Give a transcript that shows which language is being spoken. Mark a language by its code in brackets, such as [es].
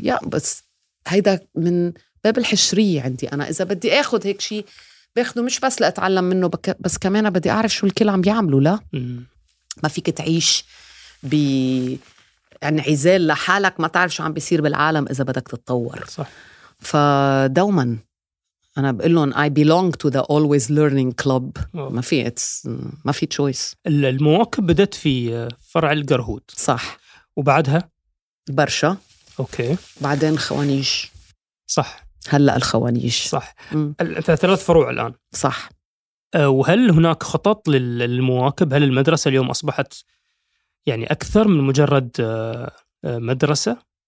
[ar] يا بس هيدا من باب الحشرية عندي أنا، إذا بدي أخد هيك شيء بأخده مش بس لأتعلم منه، بس كمان بدي أعرف شو الكل عم بيعملوا. لا ما فيك تعيش بانعزال لحالك، ما تعرف شو عم بيصير بالعالم إذا بدك تتطور. صح. فدوما أنا بقول لهم [en] I belong to the always learning club. [ar] ما في ما في choice. المواكب بدت في فرع القرهود. صح. وبعدها برشا. أوكي. بعدين خوانيش. صح. هلأ الخوانيش. صح. ثلاث فروع الآن. صح. وهل هناك خطط للمواكب؟ هل المدرسة اليوم أصبحت يعني أكثر من مجرد مدرسة؟